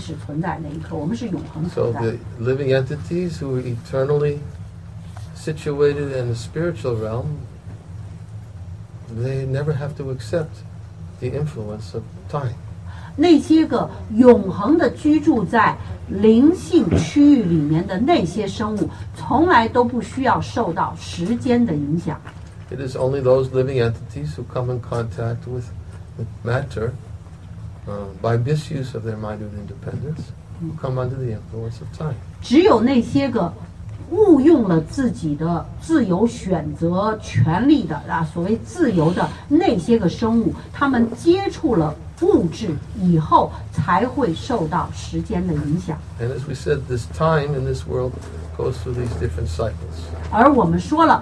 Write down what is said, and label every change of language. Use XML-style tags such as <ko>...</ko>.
<zh>而且我们这些个个体生物也是没有什么开始存在那一刻,我们是永恒存在。</zh> <en>So the living entities who are eternally situated in the spiritual realm, they never have to accept the influence of time.</en> <zh>那些个永恒的居住在灵性区域里面的那些生物从来都不需要受到时间的影响。</zh> <en>It is only those living entities who come in contact with matter by misuse of their mind and independence who come under the influence of time.</en> <zh>只有那些个 误用了自己的自由选择权利的所谓自由的那些个生物他们接触了物质以后才会受到时间的影响</zh> <en>And as we said, this time in this world goes through these different cycles</en>